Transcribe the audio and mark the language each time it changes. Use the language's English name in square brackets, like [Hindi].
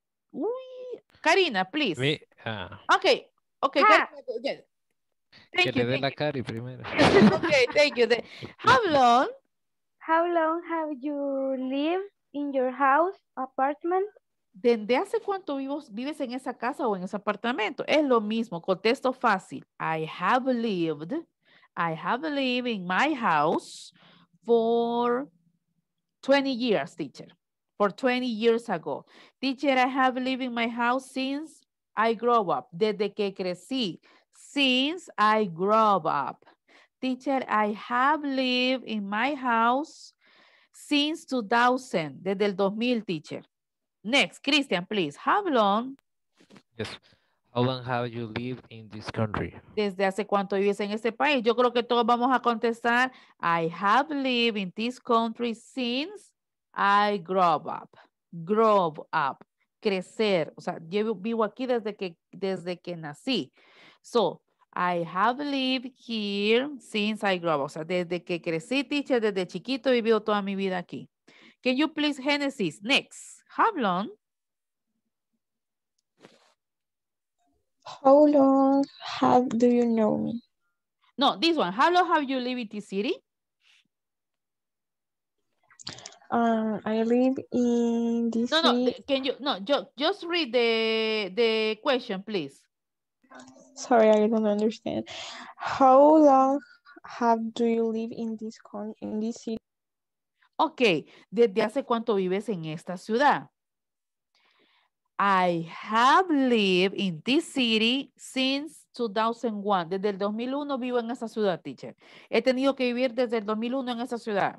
[English] Uy, Karina, please. Me, okay, okay. [Spanish] Thank que you, le dé la Cari primero. [English] Okay, thank you. How long? How long have you lived in your house, apartment? [Spanish] ¿Desde hace cuánto vives en esa casa o en ese apartamento? Es lo mismo, contesto fácil. [English] I have lived in my house for 20 years, teacher. For 20 years ago. Teacher, I have lived in my house since I grew up. [Spanish] Desde que crecí. [English] Since I grew up. Teacher, I have lived in my house since 2000. [Spanish] Desde el 2000, [English] teacher. Next, Christian, please. How long? Yes. How long have you lived in this country? [Spanish] ¿Desde hace cuánto vives en este país? Yo creo que todos vamos a contestar. [English] I have lived in this country since I grew up. Grow up. [Spanish] Crecer. O sea, yo vivo aquí desde que nací. [English] So, I have lived here since I grew up. [Spanish] O sea, desde que crecí, teacher, desde chiquito he vivido toda mi vida aquí. [English] Can you please, Genesis, next. How long? How long have do you know me? No, this one. How long have you lived in this city? I live in this city. No, can you? No, just read the question, please. Sorry, I don't understand. How long have do you live in this city? Okay, [Spanish] ¿desde hace cuánto vives en esta ciudad? [English] I have lived in this city since 2001. [Spanish] Desde el 2001 vivo en esa ciudad, teacher. He tenido que vivir desde el 2001 en esa ciudad.